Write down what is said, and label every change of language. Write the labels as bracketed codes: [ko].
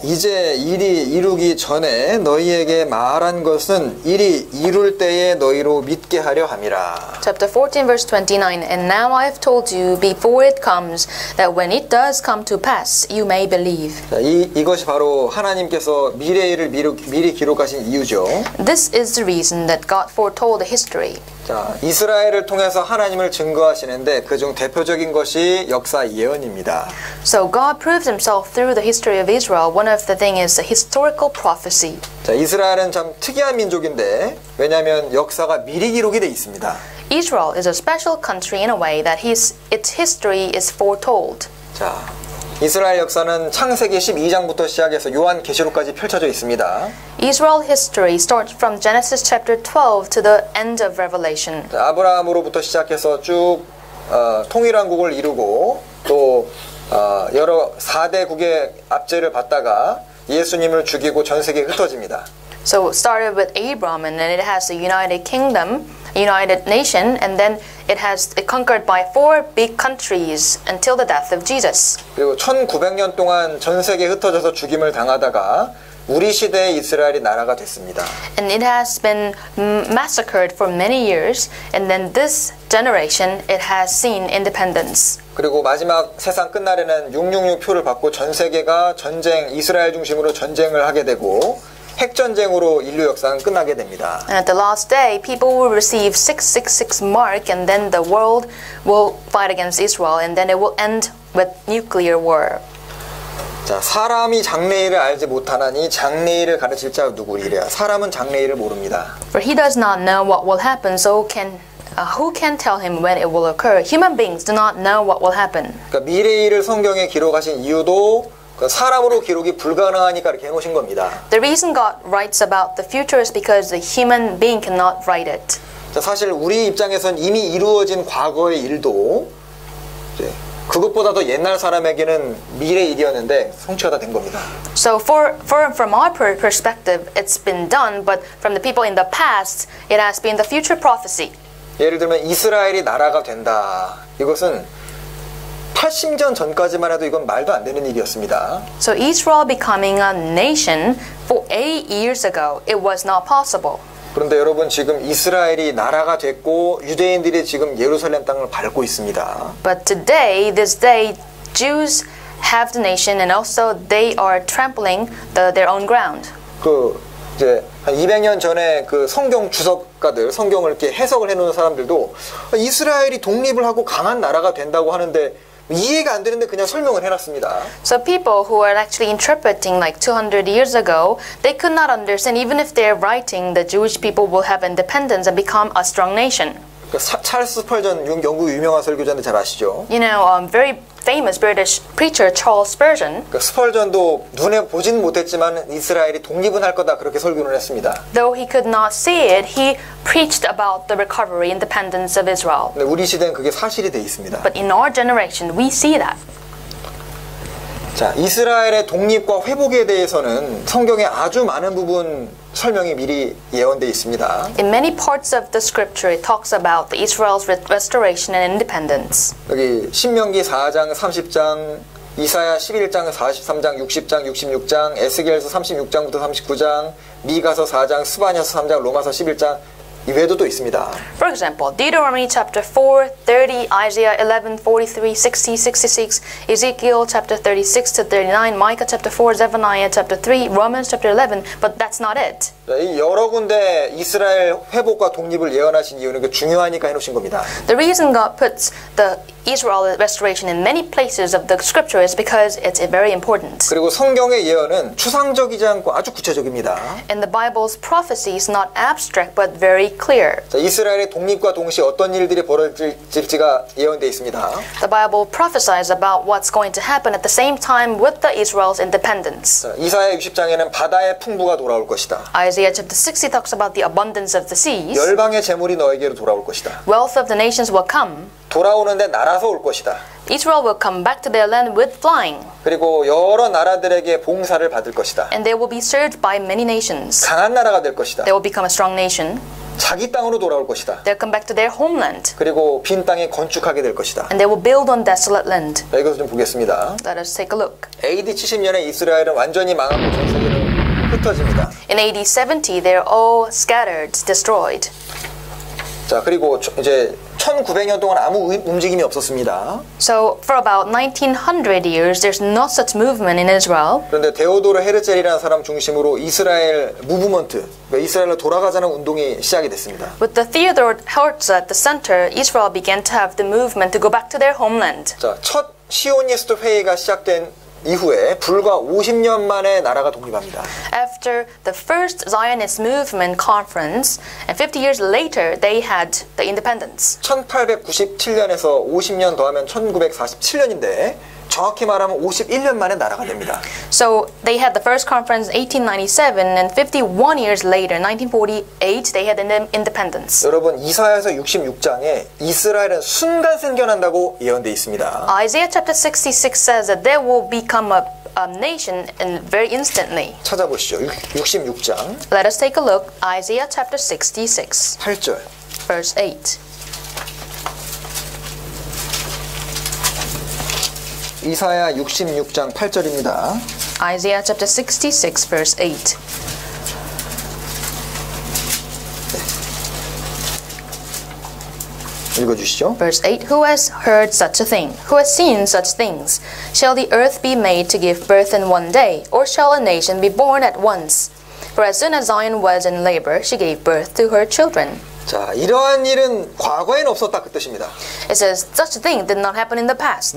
[ko] 이제 일이 이루기 전에 너희에게 말한 것은 일이 이룰 때에 너희로 믿게 하려 함이라. [en] Chapter 14 verse 29. And now I have told you before it comes that when it does come to pass you may believe. [ko] 자, 이것이 바로 하나님께서 미래일을 미리 기록하신 이유죠. [en] This is the reason that God foretold the history. [ko] 자, 이스라엘을 통해서 하나님을 증거하시는데 그중 대표적인 것이 역사 예언입니다. [en] So God proves himself through the history of Israel. One of the things is the historical prophecy. [ko] 자, 이스라엘은 참 특이한 민족인데 왜냐하면 역사가 미리 기록이 돼 있습니다. [en] Israel is a special country in a way that its history is foretold. [ko] 자, 이스라엘 역사는 창세기 12장부터 시작해서 요한계시록까지 펼쳐져 있습니다. [en] Israel history starts from Genesis chapter 12 to the end of Revelation. [ko] 아브라함으로부터 시작해서 쭉 통일왕국을 이루고 또 여러 4대국의 압제를 받다가 예수님을 죽이고 전 세계에 흩어집니다. [en] So it started with Abram, and then it has the United Kingdom, United Nation, and then it has it conquered by four big countries until the death of Jesus. [ko] 그리고 1900년 동안 전 세계 흩어져서 죽임을 당하다가 우리 시대의 이스라엘이 나라가 됐습니다. [en] And it has been massacred for many years, and then this generation it has seen independence. [ko] 그리고 마지막 세상 끝날에는 666표를 받고 전 세계가 전쟁, 이스라엘 중심으로 전쟁을 하게 되고 핵전쟁으로 인류 역사는 끝나게 됩니다. [en] And at the last day, people will receive 666 mark, and then the world will fight against Israel, and then it will end with nuclear war. [ko] 자, 사람이 장래일을 알지 못하나니 장래일을 가르칠 자 누구리랴? 사람은 장래일을 모릅니다. [en] For he does not know what will happen, so can who can tell him when it will occur? Human beings do not know what will happen. [ko] 그러니까 미래일을 성경에 기록하신 이유도 그 사람으로 기록이 불가능하니까 이렇게 해놓으신 겁니다. [en] The reason God writes about the future is because the human being cannot write it. [ko] 자, 사실 우리 입장에선 이미 이루어진 과거의 일도 이제 그것보다도 옛날 사람에게는 미래 일이었는데 성취가 된 겁니다. [en] So from our perspective, it's been done, but from the people in the past, it has been the future prophecy. [ko] 예를 들면 이스라엘이 나라가 된다. 이것은 80년 전까지만 해도 이건 말도 안 되는 일이었습니다. [en] So Israel becoming a nation for 8 years ago, it was not possible. [ko] 그런데 여러분 지금 이스라엘이 나라가 됐고 유대인들이 지금 예루살렘 땅을 밟고 있습니다. [en] But today, this day, Jews have the nation and also they are trampling their own ground. [ko] 그 이제 한 200년 전에 그 성경 주석가들, 성경을 이렇게 해석을 해놓은 사람들도 이스라엘이 독립을 하고 강한 나라가 된다고 하는데 이해가 안 되는데 그냥 설명을 해놨습니다. [en] So people who are actually interpreting like 200 years ago, they could not understand even if they're writing the Jewish people will have independence and become a strong nation. [ko] 찰스 스펄전 영국 유명한 설교자인데 잘 아시죠? [en] You know, very famous British preacher Charles Spurgeon. [ko] 스펄전도 눈에 보진 못했지만 이스라엘이 독립은 할 거다 그렇게 설교를 했습니다. [en] Though he could not see it, he preached about the recovery independence of Israel. [ko] 네, 우리 시대는 그게 사실이 돼 있습니다. [en] But in our generation, we see that. [ko] 자, 이스라엘의 독립과 회복에 대해서는 성경에 아주 많은 부분 설명이 미리 예언되어 있습니다. [en] In many parts of the scripture it talks about Israel's restoration and independence. [ko] 여기 신명기 4장, 30장, 이사야 11장, 43장, 60장, 66장, 에스겔서 36장부터 39장, 미가서 4장, 스바냐서 3장, 로마서 11장 이외에도 또 있습니다. [en] For example, Deuteronomy chapter 4, 30, Isaiah 11, 43, 60, 66, Ezekiel chapter 36 to 39, Micah chapter 4, Zephaniah chapter 3, Romans chapter 11, but that's not it. [ko] 이 여러 군데 이스라엘 회복과 독립을 예언하신 이유는 그 중요하니까 해놓으신 겁니다. [en] The reason God puts the Israel restoration in many places of the scripture is because it's very important. [ko] 그리고 성경의 예언은 추상적이지 않고 아주 구체적입니다. [en] And the Bible's prophecy is not abstract but very clear. [ko] 자, 이스라엘의 독립과 동시에 어떤 일들이 벌어질지가 예언되어 있습니다. [en] The Bible prophesies about what's going to happen at the same time with the Israel's independence. [ko] 자, 이사야 60장에는 바다의 풍부가 돌아올 것이다. [en] Isaiah chapter 60 talks about the abundance of the seas. [ko] 열방의 재물이 너에게로 돌아올 것이다. [en] Wealth of the nations will come. [ko] 돌아오는데 날아서 올 것이다. [en] Israel will come back to their land with flying. [ko] 그리고 여러 나라들에게 봉사를 받을 것이다. [en] And they will be served by many nations. [ko] 강한 나라가 될 것이다. [en] They will become a strong nation. [ko] 자기 땅으로 돌아올 것이다. [en] They'll come back to their homeland. [ko] 그리고 빈 땅에 건축하게 될 것이다. [en] And they will build on desolate land. [ko] 자, 이것을 좀 보겠습니다. [en] Let us take a look. [ko] AD 70년에 이스라엘은 완전히 망하고 전 세계로 흩어집니다. [en] In AD 70, they're all scattered, destroyed. [ko] 자, 그리고 이제 1900년 동안 아무 움직임이 없었습니다. [en] So for about 1900 years, there's no such movement in Israel. [ko] 그런데 데오도르 헤르첼이라는 사람 중심으로 이스라엘 무브먼트, 그러니까 이스라엘로 돌아가자는 운동이 시작이 됐습니다. [en] With the Theodore Herzl at the center, Israel began to have the movement to go back to their homeland. [ko] 자, 첫 시오니스트 회의가 시작된 이후에 불과 50년 만에 나라가 독립합니다. [en] After the first Zionist movement conference, and 50 years later, they had the independence. [ko] 1897년에서 50년 더하면 1947년인데 정확히 말하면 51년 만에 나라가 됩니다. [en] So they had the first conference 1897, and 51 years later, 1948, they had the independence. [ko] 여러분 이사야서 66장에 이스라엘은 순간 생겨난다고 예언돼 있습니다. [en] Isaiah chapter 66 says that there will become a nation in very instantly. [ko] 찾아보시죠. 66장. [en] Let us take a look. Isaiah chapter 66. [ko] 8절. [en] Verse 8. [ko] 이사야 66장 8절입니다. [en] Isaiah chapter 66 verse 8. [ko] 읽어주시죠. [en] Verse 8. Who has heard such a thing? Who has seen such things? Shall the earth be made to give birth in one day? Or shall a nation be born at once? For as soon as Zion was in labor, she gave birth to her children. [ko] 자, 이러한 일은 과거에는 없었다 그 뜻입니다. [en] It says such a thing did not happen in the past.